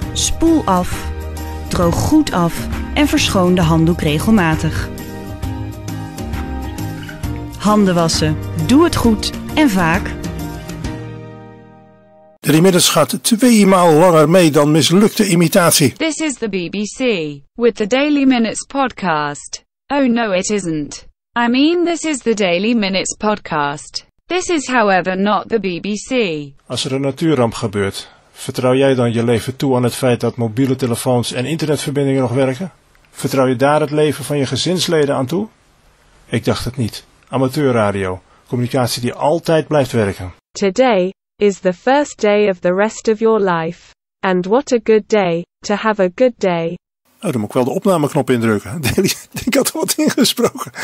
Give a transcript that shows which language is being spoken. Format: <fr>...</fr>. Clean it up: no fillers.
<nl>Spoel af. Droog goed af en verschoon de handdoek regelmatig. Handen wassen. Doe het goed en vaak. De remiddels gaat 2 maal langer mee dan mislukte imitatie.</nl> <en>This is the BBC, with the Daily Minutes podcast. Oh no, it isn't. I mean, this is the Daily Minutes podcast. This is however not the BBC.</en> <nl>Als er een natuurramp gebeurt, vertrouw jij dan je leven toe aan het feit dat mobiele telefoons en internetverbindingen nog werken? Vertrouw je daar het leven van je gezinsleden aan toe? Ik dacht het niet. Amateurradio, communicatie die altijd blijft werken.</nl> <en>Today is the first day of the rest of your life. And what a good day, to have a good day.</en> <nl>Nou, dan moet ik wel de opnameknop indrukken. Ik had er wat ingesproken.</nl>